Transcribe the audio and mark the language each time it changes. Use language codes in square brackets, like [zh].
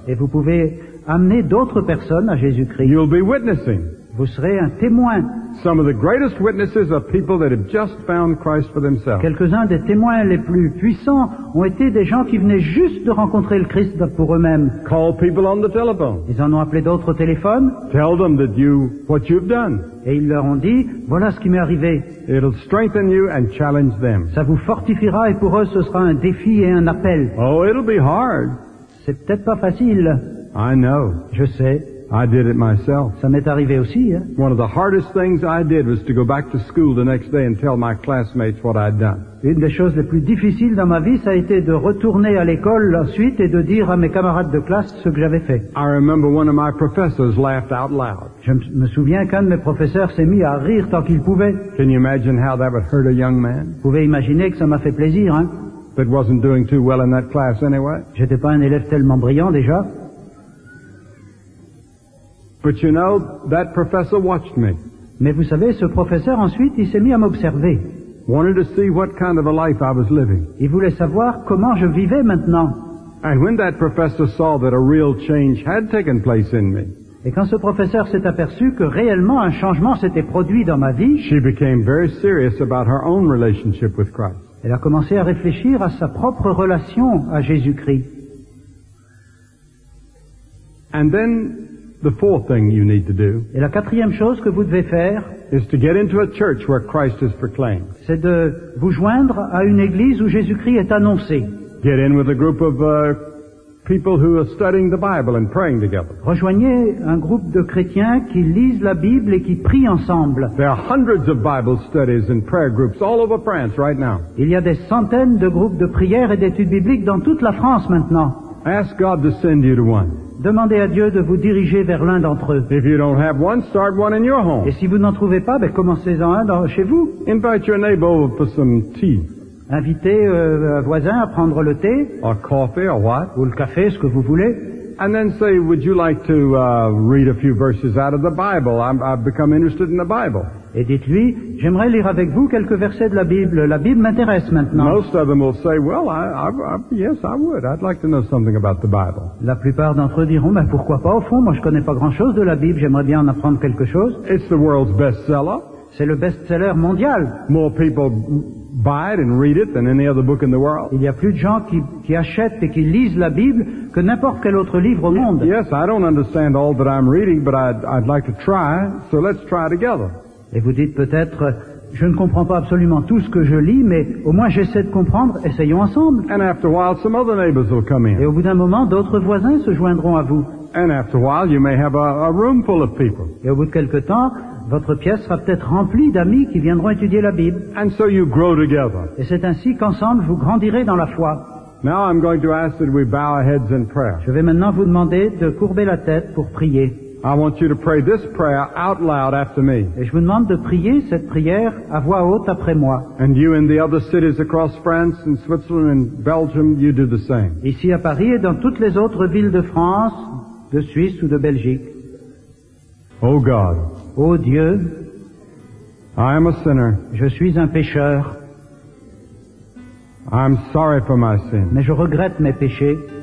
[fr] Et vous pouvez amener d'autres personnes à Jésus-Christ. [en] You'll be witnessing. [fr] Vous serez un témoin. [en] Some of the greatest witnesses are people that have just found Christ for themselves. [fr] Quelques-uns des témoins les plus puissants ont été des gens qui venaient juste de rencontrer le Christ pour eux-mêmes. [en] Call people on the telephone. [fr] Ils en ont appelé d'autres au téléphone. [en] Tell them that you what you've done. [fr] Et ils leur ont dit, voilà ce qui m'est arrivé. [en] It'll strengthen you and challenge them. [fr] Ça vous fortifiera et pour eux ce sera un défi et un appel. [en] Oh, it'll be hard. [fr] C'est peut-être pas facile. [en] I know. [fr] Je sais. [en] I did it myself. [fr] Ça m'est arrivé aussi, hein? [en] One of the hardest things I did was to go back to school the next day and tell my classmates what I'd done. [fr] Une des choses les plus difficiles dans ma vie, ça a été de retourner à l'école ensuite et de dire à mes camarades de classe ce que j'avais fait. [en] I remember one of my professors laughed out loud. [fr] Je me souviens qu'un de mes professeurs s'est mis à rire tant qu'il pouvait. [en] Can you imagine how that would hurt a young man? [fr] Vous pouvez imaginer que ça m'a fait plaisir, hein? [en] But wasn't doing too well in that class anyway. [fr] J'étais pas un élève tellement brillant déjà. [en] But you know, that professor watched me. [fr] Mais vous savez, ce professeur ensuite, il s'est mis à m'observer. [en] Wanted to see what kind of a life I was living. [fr] Il voulait savoir comment je vivais maintenant. [en] And when that professor saw that a real change had taken place in me. [fr] Et quand ce professeur s'est aperçu que réellement un changement s'était produit dans ma vie. [en] She became very serious about her own relationship with Christ. [fr] Elle a commencé à réfléchir à sa propre relation à Jésus-Christ. [en] And then the fourth thing you need to do. [fr] Et la quatrième chose que vous devez faire. [en] Is to get into a church where Christ is proclaimed. [fr] C'est de vous joindre à une église où Jésus-Christ est annoncé. [en] Get in with a group of people who are studying the Bible and praying together. [fr] Rejoignez un groupe de chrétiens qui lisent la Bible et qui prient ensemble. [en] There are hundreds of Bible studies and prayer groups all over France right now. [fr] Il y a des centaines de groupes de prières et d'études bibliques dans toute la France maintenant. [en] Ask God to send you to one. [fr] Demandez à Dieu de vous diriger vers l'un d'entre eux. [en] If you don't have one, start one in your home. [fr] Et si vous n'en trouvez pas, ben commencez-en un dans, chez vous. [en] Invite your neighbor over for some tea. [fr] Invitez un voisin à prendre le thé. [en] Or coffee, or what? [fr] Ou le café, ce que vous voulez. [en] And then say, would you like to read a few verses out of the Bible? I've become interested in the Bible. [fr] Et dites-lui, j'aimerais lire avec vous quelques versets de la Bible. La Bible m'intéresse maintenant. [en] Most of them will say, well, yes, I would. I'd like to know something about the Bible. [fr] La plupart d'entre eux diront, mais pourquoi pas au fond? Moi, je connais pas grand-chose de la Bible. J'aimerais bien en apprendre quelque chose. [en] It's the world's bestseller. [fr] C'est le best-seller mondial. [en] More people buy it and read it than any other book in the world. [fr] Il y a plus de gens qui achètent et qui lisent la Bible que n'importe quel autre livre au monde. [en] Yes, I don't understand all that I'm reading, but I'd like to try. So let's try together. [fr] Et vous dites peut-être, je ne comprends pas absolument tout ce que je lis, mais au moins j'essaie de comprendre, essayons ensemble. [en] And after a while, some other neighbors will come in. [fr] Et au bout d'un moment, d'autres voisins se joindront à vous. [en] And after a while, you may have a room full of people. [fr] Et au bout de quelque temps, votre pièce sera peut-être remplie d'amis qui viendront étudier la Bible. [en] And so you grow together. [fr] Et c'est ainsi qu'ensemble, vous grandirez dans la foi. [en] Now I'm going to ask that we bow our heads in prayer. [fr] Je vais maintenant vous demander de courber la tête pour prier. [en] I want you to pray this prayer out loud after me. [fr] Et je vous demande de prier cette prière à voix haute après moi. [en] And you in the other cities across France and Switzerland and Belgium, you do the same. [fr] Ici à Paris et dans toutes les autres villes de France, de Suisse ou de Belgique. [en] Oh God. [fr] Oh Dieu. [en] I am a sinner. [fr] Je suis un pécheur. [en] I'm sorry for my sin. [fr] Mais je regrette mes péchés.